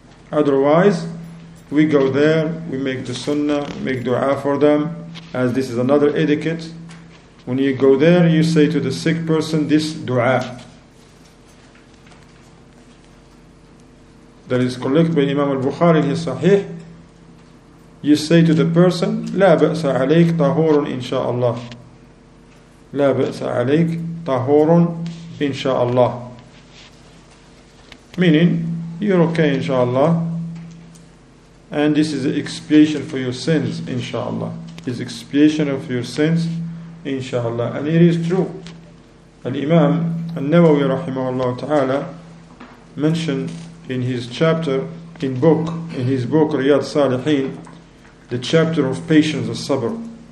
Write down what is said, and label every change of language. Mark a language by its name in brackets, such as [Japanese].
[English] Otherwise, we go there, we make the sunnah, make dua for them, as this is another etiquette. When you go there, you say to the sick person this dua. That is collected by Imam al-Bukhari in his Sahih. [Arabic] You say to the person, لا بأس عليك طهور إن شاء الله. لا بأس عليك طهور إن شاء الله. [English] Meaning, you're okay inshallah. And this is the expiation for your sins, inshallah. This expiation of your sins, inshallah. And it is true. Al-Imam al-Nawawi rahimahullah ta'ala mentioned in his chapter, in his book Riyad Salihin, the chapter of patience and sabr.